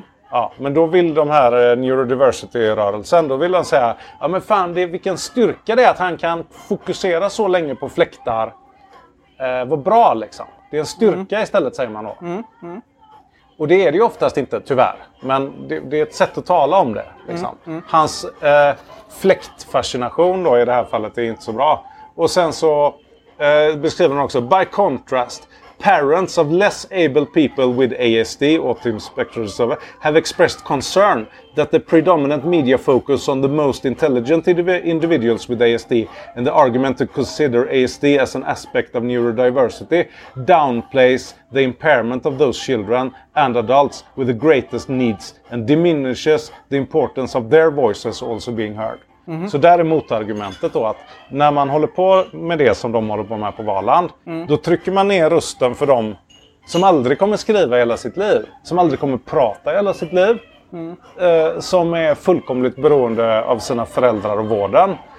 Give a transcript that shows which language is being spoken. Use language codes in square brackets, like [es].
[sv] Ja, men då vill de här neurodiversity-rörelsen, då vill de säga, ja men fan, det, vilken styrka det är att han kan fokusera så länge på fläktar. Vad bra liksom. Det är en styrka istället, säger man då. Och det är det ju oftast inte, tyvärr. Men det är ett sätt att tala om det. Liksom. Hans fläktfascination då i det här fallet är inte så bra. Och sen så beskriver han också, [en] by contrast, parents of less able people with ASD, autism spectrum disorder, have expressed concern that the predominant media focus on the most intelligent individuals with ASD and the argument to consider ASD as an aspect of neurodiversity downplays the impairment of those children and adults with the greatest needs and diminishes the importance of their voices also being heard. Mm-hmm. [sv] Så där är motargumentet då, att när man håller på med det som de håller på med på Valand, då trycker man ner rösten för dem som aldrig kommer skriva hela sitt liv, som aldrig kommer prata hela sitt liv, som är fullkomligt beroende av sina föräldrar och vården.